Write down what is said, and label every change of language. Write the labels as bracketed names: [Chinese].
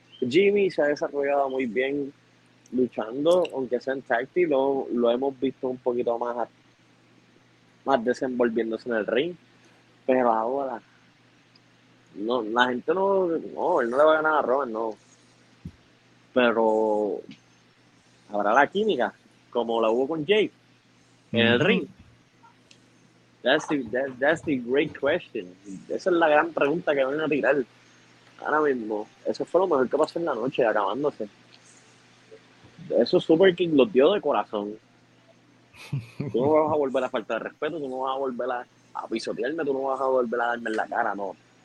[Spanish] Jimmy se ha desarrollado muy bien luchando, aunque sea en tag team, lo hemos visto un poquito más desenvolviéndose en el ring, pero ahora no, la gente no, él no le va a ganar a Roman, no, pero habrá la química como la hubo con Jake en el ring. [English] That's the great question. [Spanish] Esa es la gran pregunta que van a tirar ahora mismo. Eso fue lo mejor que pasó en la noche, acabándose. Eso Super King los dio de corazón. Tú no vas a volver a faltar respeto, tú no vas a volver a pisotearme, tú no vas a volver a darme en la cara, no.